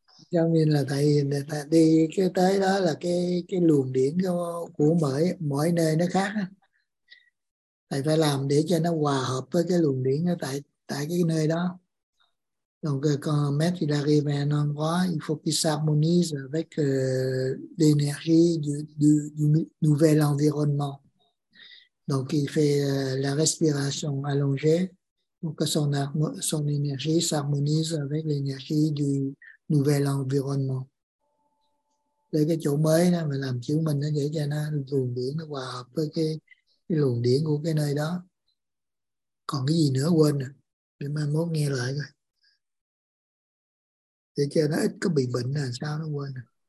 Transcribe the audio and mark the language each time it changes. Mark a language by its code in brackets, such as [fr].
[vi] cho nên là thầy đi cái tới đó là cái luồng điển của mỗi nơi nó khác. Thầy phải làm để cho nó hòa hợp với cái luồng điện ở tại tại cái nơi đó. [fr] Donc quand maître il arrive à un endroit, il faut qu'il s'harmonise avec l'énergie du nouvel environnement. Donc il fait la respiration allongée pour que son énergie s'harmonise avec l'énergie du nouvel environnement. [vi] Là cái chỗ mới đó mình làm chiếu mình nó dễ cho nó luồng điện nó hòa hợp với cái luồng điện của cái nơi đó. Còn cái gì nữa quên rồi, để mai mốt nghe lại coi. Để cho nó ít có bị bệnh là sao nó quên rồi.